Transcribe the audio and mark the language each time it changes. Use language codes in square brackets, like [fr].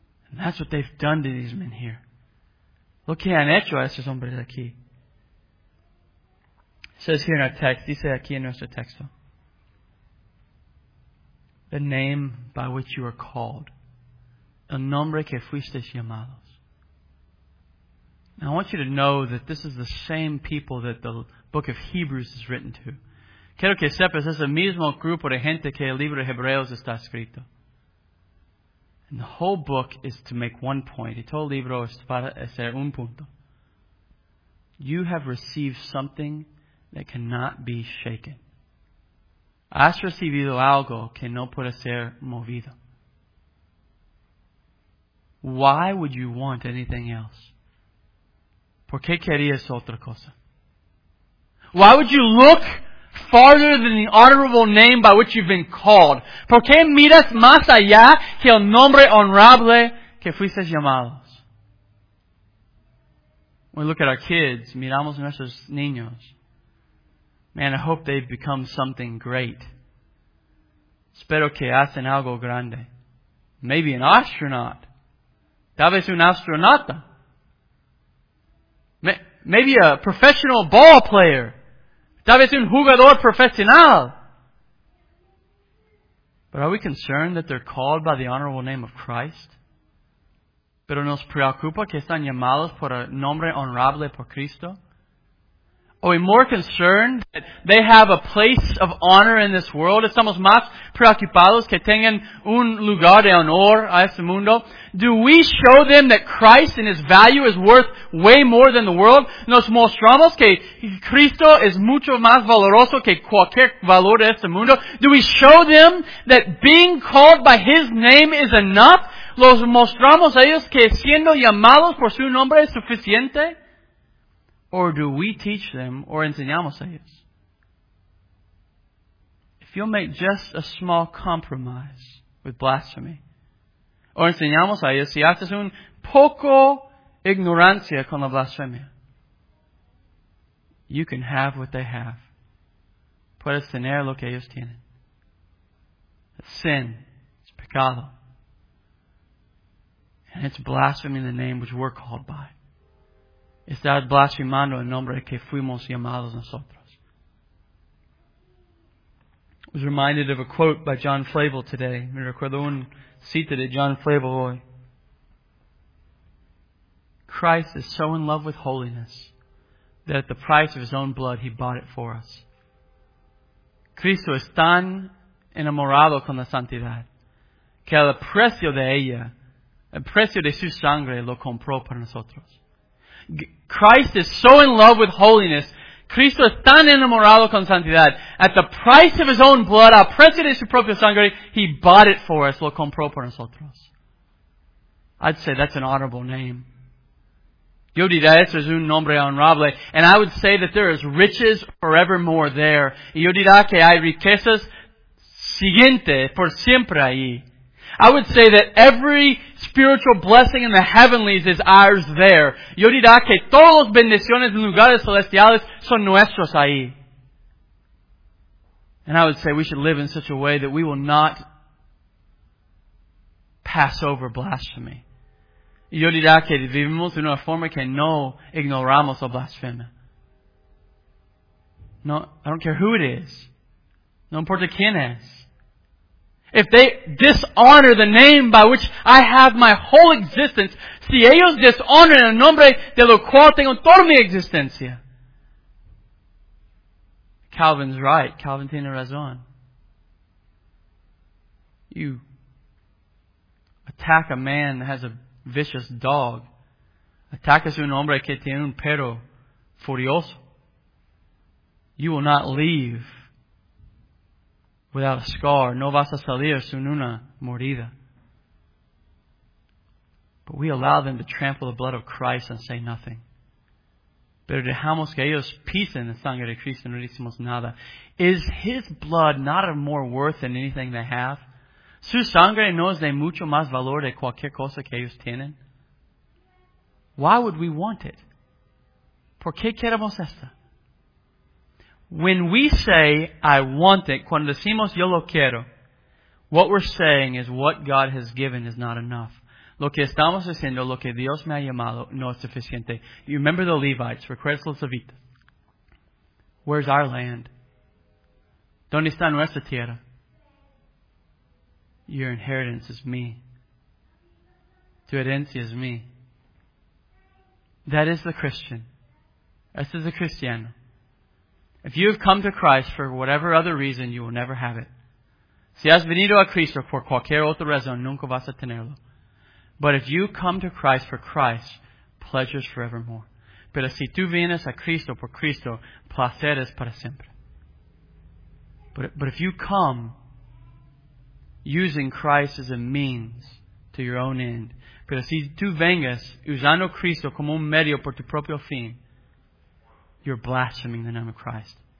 [en] And that's what they've done to these men here. [es] Lo que han hecho a estos hombres aquí. [en] It says here in our text, [es] dice aquí en nuestro texto, [en] the name by which you are called, [es] el nombre que fuisteis llamados. [en] Now, I want you to know that this is the same people that the book of Hebrews is written to. [es] Quiero que sepas, es el mismo grupo de gente que el libro de Hebreos está escrito. [en] And the whole book is to make one point. [es] Y todo el libro es para hacer un punto. [en] You have received something that cannot be shaken. [es] Has recibido algo que no puede ser movido. [en] Why would you want anything else? [es] ¿Por qué querías otra cosa? [en] Why would you look farther than the honorable name by which you've been called? [es] ¿Por qué miras más allá que el nombre honorable que fuiste llamados? [en] When we look at our kids, [es] miramos a nuestros niños. [en] Man, I hope they've become something great. [es] Espero que hacen algo grande. [en] Maybe an astronaut. [es] Tal vez un astronauta. [en] Maybe a professional ball player. [es] Tal vez un jugador profesional. [en] But are we concerned that they're called by the honorable name of Christ? [es] ¿Pero nos preocupa que están llamados por el nombre honorable por Cristo? [en] Are we more concerned that they have a place of honor in this world? [es] ¿Estamos más preocupados que tengan un lugar de honor a este mundo? [en] Do we show them that Christ and His value is worth way more than the world? [es] ¿Nos mostramos que Cristo es mucho más valoroso que cualquier valor de este mundo? [en] Do we show them that being called by His name is enough? [es] ¿Los mostramos a ellos que siendo llamados por su nombre es suficiente? [en] Or do we teach them or [es] enseñamos a ellos? [en] If you'll make just a small compromise with blasphemy, or [es] enseñamos a ellos, si haces un poco ignorancia con la blasfemia, [en] you can have what they have. [es] Puedes tener lo que ellos tienen. [en] It's sin. It's pecado. And it's blaspheming the name which we're called by. [es] Estás blasfemando el nombre que fuimos llamados nosotros. [en] I was reminded of a quote by John Flavel today. [es] Me recuerdo un cita de John Flavel hoy. [en] Christ is so in love with holiness that at the price of His own blood, He bought it for us. [es] Cristo es tan enamorado con la santidad que al precio de ella, el precio de su sangre, lo compró para nosotros. [en] Christ is so in love with holiness. [es] Cristo es tan enamorado con santidad. [en] At the price of His own blood, [es] al precio de su propia sangre, [en] He bought it for us. [es] Lo compró para nosotros. [en] I'd say that's an honorable name. [es] Yo diría, eso es un nombre honorable. [en] And I would say that there is riches forevermore there. [es] Y yo diría que hay riquezas siguiente por siempre ahí. [en] I would say that every spiritual blessing in the heavenlies is ours there. [es] Yo diría que todos los bendiciones en lugares celestiales son nuestros ahí. [en] And I would say we should live in such a way that we will not pass over blasphemy. [es] Yo diría que vivimos de una forma que no ignoramos la blasfemia. [en] No, I don't care who it is. [es] No importa quién es. [en] If they dishonor the name by which I have my whole existence, [es] si ellos dishonoran el nombre de lo cual tengo toda mi existencia. [en] Calvin's right. [es] Calvin tiene razón. [en] You attack a man that has a vicious dog. [es] Atacas un hombre que tiene un perro furioso. [en] You will not leave without a scar, [es] no vas a salir sin una mordida. [en] But we allow them to trample the blood of Christ and say nothing. [es] Pero dejamos que ellos pisen la sangre de Cristo y no decimos nada. [en] Is His blood not of more worth than anything they have? [es] Su sangre no es de mucho más valor de cualquier cosa que ellos tienen? [en] Why would we want it? [es] ¿Por qué queremos esta? [en] When we say, I want it, [es] cuando decimos, yo lo quiero, [en] what we're saying is what God has given is not enough. [es] Lo que estamos haciendo, lo que Dios me ha llamado, no es suficiente. [en] You remember the Levites, [es] recuerdas los Levitas. [en] Where's our land? [es] ¿Dónde está nuestra tierra? [en] Your inheritance is me. [es] Tu herencia es me. [en] That is the Christian. [es] Ese es el cristiano. [en] If you have come to Christ for whatever other reason, you will never have it. [es] Si has venido a Cristo por cualquier otra razón, nunca vas a tenerlo. [en] But if you come to Christ for Christ, pleasures forevermore. [es] Pero si tú vienes a Cristo por Cristo, placeres para siempre. [en] But if you come using Christ as a means to your own end, [es] pero si tú vengas usando Cristo como un medio por tu propio fin, [en] you're blaspheming the name of Christ.